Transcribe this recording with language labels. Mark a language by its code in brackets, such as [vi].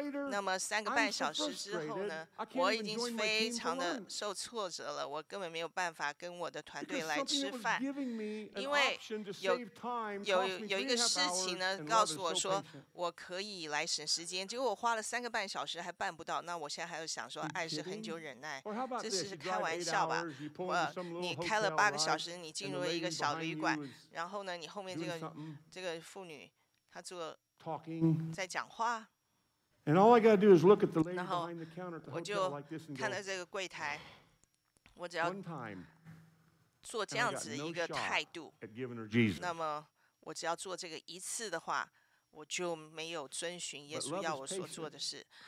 [zh] 那么三个半小时之后呢，我已经非常的受挫折了，我根本没有办法跟我的团队来吃饭，因为有一个事情呢告诉我说我可以来省时间，结果我花了三个半小时还办不到，那我现在还要想说爱是很久忍耐，这是开玩笑吧？你开了八个小时，你进入了一个小旅馆，然后呢，你后面这个妇女她做在讲话。 [en] And all I gotta do is look at the lady behind the counter at the hotel like this. [zh] 我就看到这个柜台。我只要做这样子一个态度，那么我只要做这个一次的话，我就没有遵循耶稣要我所做的事。